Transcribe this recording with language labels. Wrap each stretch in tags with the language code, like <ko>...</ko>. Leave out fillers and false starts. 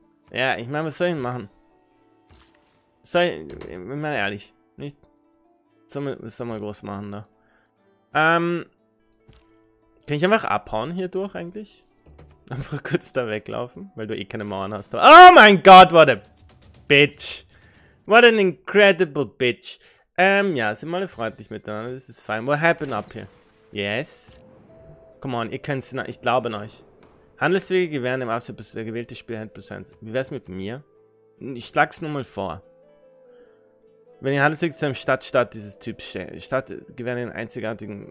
<de>Ja, ich meine, was soll ich machen? Ich meine, ehrlich. Nicht. Was soll man groß machen da? Kann ich einfach abhauen hier durch eigentlich? Einfach kurz da weglaufen, weil du eh keine Mauern hast. Oh mein Gott,</de> <en>what a bitch! What an incredible bitch.</en> <de>Ja, sind wir alle freundlich miteinander.</de> <en>This is fine. What happened up here? Yes. Come on,</en> <de>ihr könnt's. Ich glaube an euch. Handelswege gewähren im Absatz bis der gewählte Spieler Hand plus 1. Wie wär's mit mir? Ich schlag's nur mal vor. Wenn ihr Handelswege zu einem Stadtstaat dieses Typs Stadt gewähren den einzigartigen.</de>